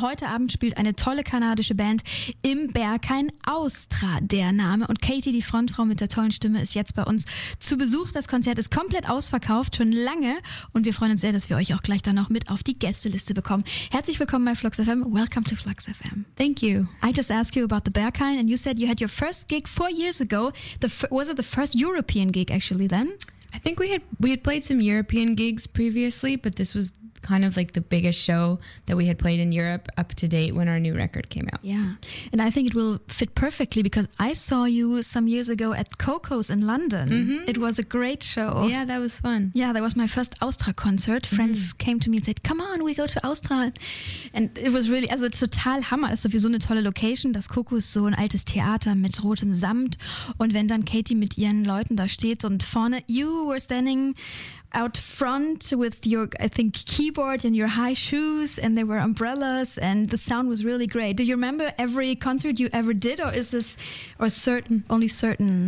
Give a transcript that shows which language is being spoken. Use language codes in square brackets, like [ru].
[de] Heute Abend spielt eine tolle kanadische Band im Berghain, Austra der Name. Und Katie, die Frontfrau mit der tollen Stimme, ist jetzt bei uns zu Besuch. Das Konzert ist komplett ausverkauft, schon lange. Und wir freuen uns sehr, dass wir euch auch gleich dann noch mit auf die Gästeliste bekommen. Herzlich willkommen bei Flux FM. [en] Welcome to Flux FM. Thank you. I just asked you about the Berghain and you said you had your first gig 4 years ago. Was it the first European gig actually then? I think we had played some European gigs previously, but this was kind of like the biggest show that we had played in Europe up to date when our new record came out. Yeah, and I think it will fit perfectly because I saw you some years ago at Coco's in London. Mm-hmm. It was a great show. Yeah, that was fun. Yeah, that was my first Austra concert. Friends mm-hmm. came to me and said, come on, we go to Austra. And it was really, [de] also total Hammer. Es ist sowieso eine tolle Location. Das Coco ist so ein altes Theater mit rotem Samt. Und wenn dann Katie mit ihren Leuten da steht und vorne, [en] you were standing out front with your, I think, keyboard and your high shoes, and there were umbrellas, and the sound was really great. Do you remember every concert you ever did, or is this, or certain, only certain?